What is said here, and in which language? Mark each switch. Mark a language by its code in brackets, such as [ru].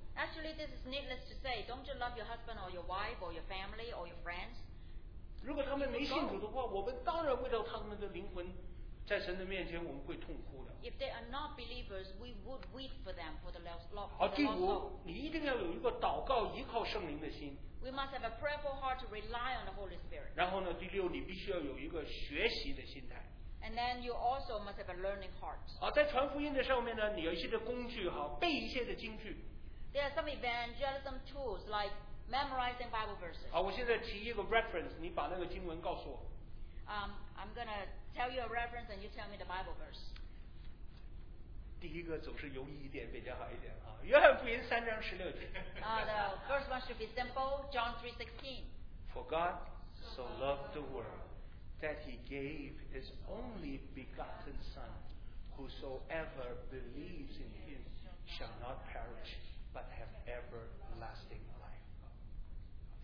[en] Actually, this is needless to say. Don't you love your husband or your wife or your family or your friends? [zh] 如果他们没信主的话，我们当然为了他们的灵魂，在神的面前我们会痛哭的。 [en] If they are not believers, we would weep for them for the lost soul. [zh] 好，第五，你一定要有一个祷告依靠圣灵的心。 [en] We must have a prayerful heart to rely on the Holy Spirit. [zh] 然后呢，第六，你必须要有一个学习的心态。 [en] And then you also must have a learning heart. [zh] 好，在传福音的上面呢，你有一些的工具哈，背一些的经句。 [en] There are some evangelism tools like memorizing Bible verses. [zh] 好，我现在提一个 [en] reference， [zh] 你把那个经文告诉我。 [en] I'm gonna tell you a reference and you tell me the Bible verse. [zh] 第一个总是容易一点比较好一点啊。约翰福音三章十六节。 [en] The first one should be simple. John 3:16. For God so loved the world that he gave his only begotten Son, whosoever believes in him shall not perish but have everlasting life.